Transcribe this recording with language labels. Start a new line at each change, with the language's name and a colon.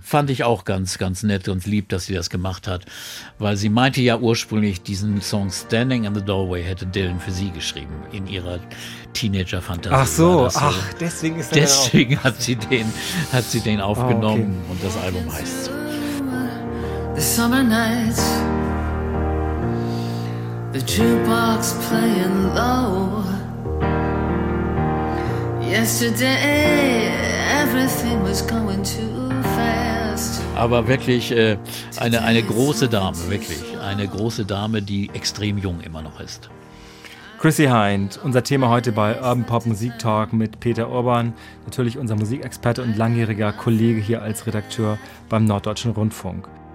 German: Fand ich auch ganz nett und lieb, dass sie das gemacht hat, weil sie meinte ja ursprünglich, diesen Song Standing in the Doorway hätte Dylan für sie geschrieben, in ihrer Teenager-Fantasie. Ach so, ach, deswegen ist das auch. Deswegen hat sie den aufgenommen, oh, okay. Und das Album heißt so.
English: The summer nights, the jukebox playing low. Yesterday everything was going too fast.
German: Aber wirklich eine große Dame, wirklich. Eine große Dame, die extrem jung immer noch ist. Chrissy Hind, unser Thema heute bei Urban Pop Musik Talk mit Peter Urban, natürlich unser Musikexperte und langjähriger Kollege hier als Redakteur beim Norddeutschen Rundfunk.